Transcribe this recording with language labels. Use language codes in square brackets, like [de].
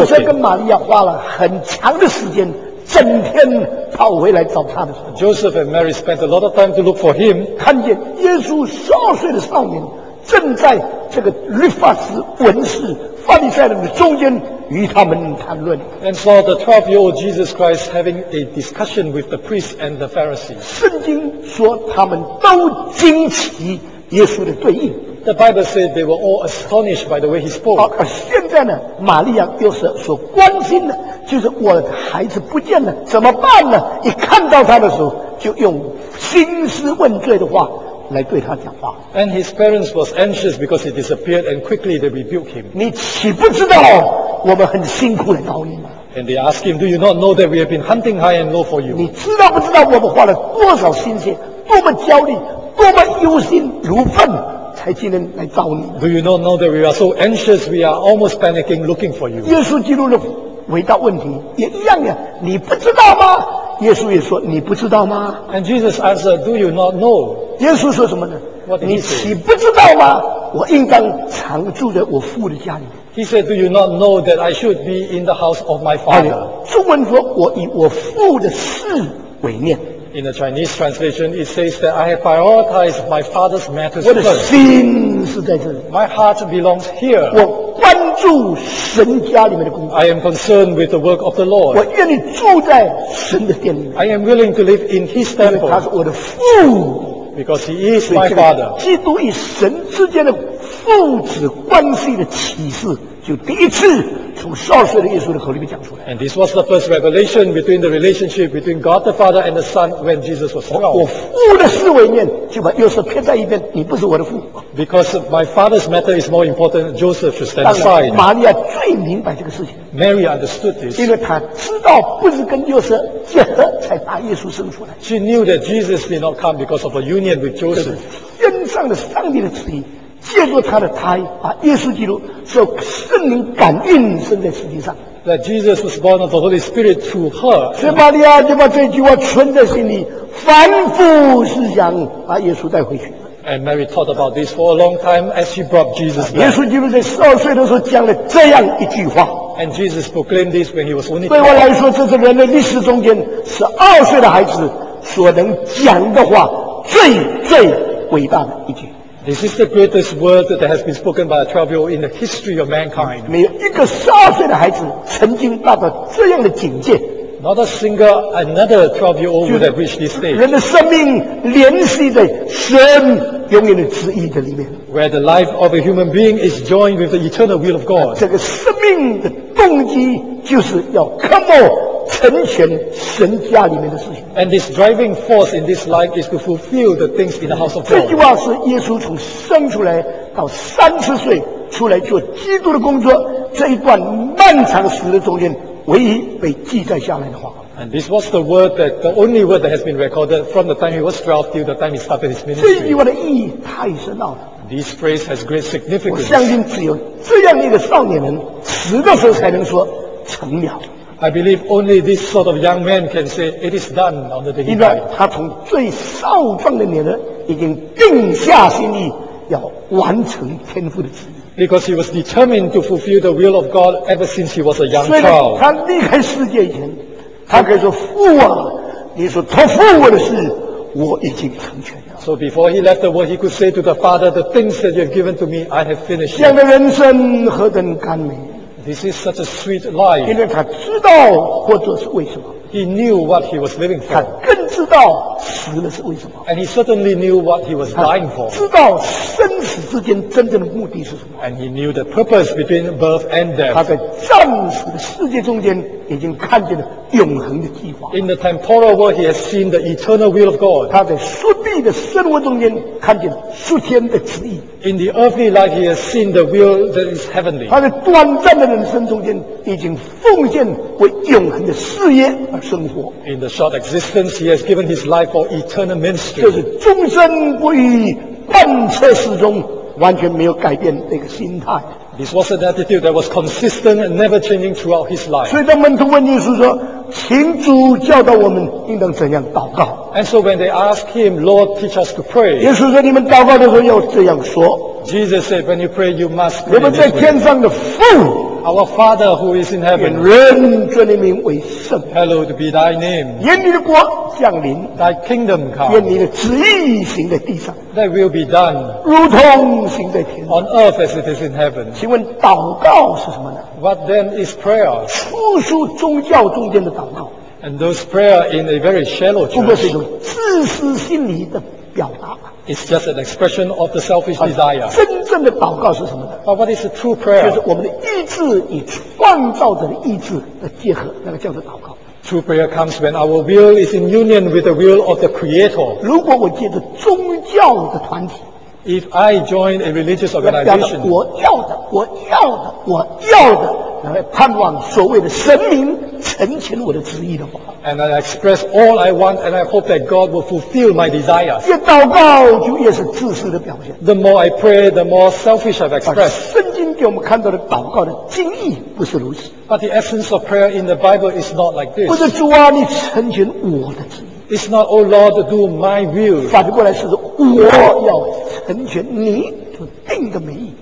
[zh] 约瑟跟玛利亚花了很长的时间，整天跑回来找他的时候。 [en] Joseph and Mary spent a lot of time to look for him. [zh] 看见耶稣十二岁的少年正在这个律法师文士。法利赛人的中间与他们谈论 [en] and saw the 12-year-old Jesus Christ having a discussion with the priests and the Pharisees. [zh] 圣经说他们都惊奇耶稣的对应 [en] The Bible said they were all astonished by the way he spoke. [zh] 而现在呢，玛利亚又是所关心的，就是我的孩子不见了，怎么办呢？一看到他的时候，就用兴师问罪的话。来对他讲话。 [en] And his parents was anxious because he disappeared, and quickly they rebuked him. [zh] 你岂不知道我们很辛苦来找你吗 [en] ？And they asked him, "Do you not know that we have been hunting high and low for you?" [zh] 你知道不知道我们花了多少心血，多么焦虑，多么忧心如焚，才今天来找你 [en] ？Do you not know that we are so anxious, we are almost panicking, looking for you? [zh] 耶稣基督的伟大问题也一样呀，你不知道吗？耶稣也说，你不知道吗 [en] ？And Jesus answered, "Do you not know?" [zh] 耶稣说什么呢？ [en] What did he say? [zh] 你岂不知道吗？我应当常住在我父的家里。 [en] He said, "Do you not know that I should be in the house of my father?" [zh] 中文说，我以我父的事为念。 [en] In the Chinese translation, it says that I have prioritized my father's matters first. [zh] 我的心是在这里。 [en] My heart belongs here. [zh] 我关注神家里面的工作。 [en] I am concerned with the work of the Lord. [zh] 我愿意住在神的殿里面。 [en] I am willing to live in His temple. [zh] 因为他是我的父。 [en] Because He is my father. [zh] 基督与神之间的父子关系的启示，就第一次。从十二岁的耶稣的口里面讲出来。 [en] And this was the first revelation between the relationship between God the Father and the Son when Jesus was 12. [zh] 我父的事为念，就把耶稣撇在一边。你不是我的父。 [en] Because my father's matter is more important, Joseph should stand aside. [zh] 玛利亚最明白这个事情。 [en] Mary understood this. [zh] 因为她知道不是跟耶稣结合才把耶稣生出来。 [en] She knew that Jesus did not come because of a union with Joseph. [zh] 天上的上帝的旨意。借助他的胎，把耶稣基督受圣灵感孕生在实际上。 [en] That Jesus was born of the Holy Spirit through her. [zh] 所以玛利亚就把这句话存在心里，反复思想，把耶稣带回去。 [en] And Mary thought about this for a long time as she brought Jesus back. [zh] 耶稣基督在十二岁的时候讲了这样一句话。 [en] And Jesus proclaimed this when he was only [zh] 对我来说，这是人类历史中间十二岁的孩子所能讲的话最最伟大的一句。 [en] This is the greatest word that has been spoken by a 12-year-old in the history of mankind. [zh] 没有一个十二岁的孩子曾经达到这样的境界。 [en] Not a single another 12-year-old would have reached this stage. [zh] 人的生命联系在神永远的旨意的里面。 [en] Where the life of a human being is joined with the eternal will of God. [zh] 这个生命的动机就是要 [en] come on。 [zh] 成全神家里面的事情。 [en] And this driving force in this life is to fulfill the things in the house of God. [zh] 这句话是耶稣从生出来到三十岁出来做基督的工作这一段漫长时的中间唯一被记载下来的话。 [en] And this was the word that the only word that has been recorded from the time he was 12 till the time he started his ministry. [zh] 这句话的意义太深奥了。 [en] This phrase has great significance. [zh] 我相信只有这样一个少年人死的时候才能说成了。 [en] I believe only this sort of young man can say it is done on the day he died. [zh] 他从最少壮的年龄已经定下心意要完成天父的旨意。 [en] Because he was determined to fulfill the will of God ever since he was a young child. [zh] 所以他离开世界以前，他可以说父啊，你所托付我的事，我已经成全了。 [en] So before he left the world, he could say to the Father, the things that you have given to me, I have finished. [zh] 这样的人生何等甘美。 [en] This is such a sweet life. [zh] 因为他知道活着是为什么。 [en] He knew what he was living for. [zh] 他更知道死了是为什么。 [en] And he certainly knew what he was dying for. [zh] 知道生死之间真正的目的是什么。 [en] And he knew the purpose between birth and death. [zh] 他在暂时的世界中间已经看见了永恒的计划。 [en] In the temporal world, he has seen the eternal will of God. [zh] 他在属地的生活中间看见属天的旨意。 [en] In the earthly life, he has seen the will that is heavenly. [zh] 他在短暂的人生中间已经奉献为永恒的事业而生活。 [en] In the short existence, he has given his life for eternal ministry. [zh] 就是终身不渝，贯彻始终，完全没有改变那个心态。 [en] This was an attitude that was consistent and never changing throughout his life. [zh] 所以当门徒问耶稣说，请主教导我们应当怎样祷告。 [en] And so when they ask him, Lord, teach us to pray. [zh] 耶稣说，你们祷告的时候要这样说。 [en] Jesus said, when you pray, you must pray. [zh] 我们在天上的父。 [en] Our Father who is in heaven. [zh] 愿尊你名为圣。 [en] Hallowed be thy name. [zh] 愿你的国降临。 [en] Thy kingdom come. [zh] 愿你的旨意行在地上。 [en] That will be done. [zh] 如同行在天。 [en] On earth as it is in heaven. [zh] 请问祷告是什么呢？ [en] What then is prayer? [zh] 出书宗教中间的祷告。 [en] And those prayer in a very shallow church. [zh] 不过是一种自私心理的表达。 [en] It's just an expression of the selfish desire. [zh] 真正的祷告是什么呢？ [en] But what is a true prayer? [zh] 就是我们的意志与创造者的意志的结合，那个叫做祷告。 [en] True prayer comes when our will is in union with the will of the Creator. [zh] 如果我借着宗教的团体， [en] If I join a religious organization, [zh] 我要的，我要的，我要的，然后盼望所谓的神明成全我的旨意的话。 [en] And I express all I want and I hope that God will fulfill my desires. [zh] 越祷告就越是自私的表现。 [en] The more I pray, the more selfish I've expressed. [zh] 但圣经给我们看到的祷告的精义不是如此。 [en] But the essence of prayer in the Bible is not like this. [zh] 不是主啊，你成全我的旨意。 [en] It's not, O Lord, do my will. [zh] 反过来是我要成全你所定的美意。